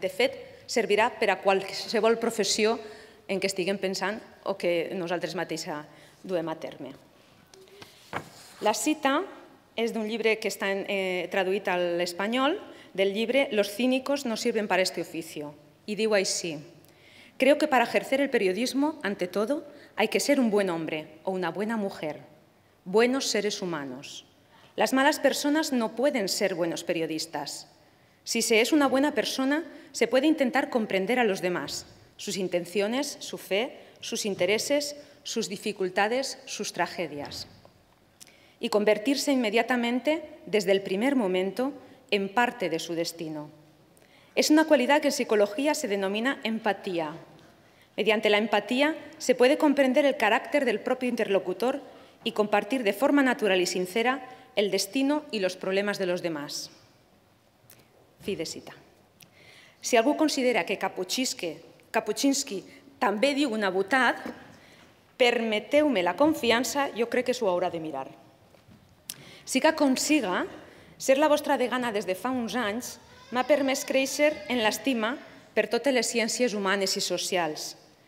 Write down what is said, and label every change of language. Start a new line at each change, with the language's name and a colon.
Catalan: De fet, servirà per a qualsevol professió en què estiguem pensant o que nosaltres mateixa duem a terme. La cita és d'un llibre que està traduït a l'espanyol, del llibre
Spanish: «Los cínicos no sirven para este oficio».
Catalan: I diu així:
Spanish: «Creo que para ejercer el periodismo, ante todo, hay que ser un buen hombre o una buena mujer, buenos seres humanos. Las malas personas no pueden ser buenos periodistas. Si se es una buena persona, se puede intentar comprender a los demás, sus intenciones, su fe, sus intereses, sus dificultades, sus tragedias. Y convertirse inmediatamente, desde el primer momento, en parte de su destino. Es una cualidad que en psicología se denomina empatía. Mediante la empatía se puede comprender el carácter del propio interlocutor y compartir de forma natural y sincera el destino y los problemas de los demás».
Catalan: Fi de cita. Si algú considera que Kapuscinski també diu una butada, permeteu-me la confiança, jo crec que s'ho haurà de mirar. Si que aconsiga ser la vostra degana des de fa uns anys, m'ha permès créixer en l'estima per totes les ciències humanes i socials.